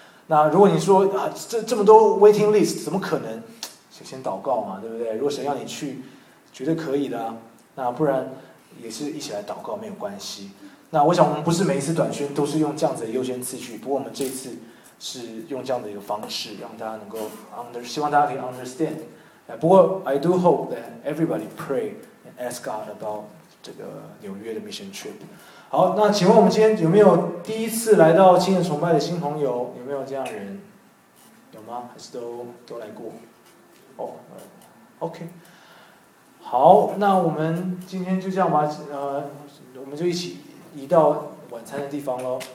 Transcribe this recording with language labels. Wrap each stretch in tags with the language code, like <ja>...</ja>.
<zh>那如果你说、啊、这么多 waiting list 怎么可能，先祷告嘛，对不对？如果神要你去绝对可以的、啊、那不然也是一起来祷告没有关系。那我想我们不是每一次短宣都是用这样子的优先次序，不过我们这次是用这样的一个方式让大家能够 希望大家可以 understand。不过</zh> <en>I do hope that everybody pray and ask God about</en> <zh>这个纽约的</zh> <en>mission trip。</en> <zh>好，那请问我们今天有没有第一次来到青年崇拜的新朋友，有没有这样的人？有吗？还是都来过？OK， 好，那我们今天就这样吧，我们就一起移到晚餐的地方咯。</zh>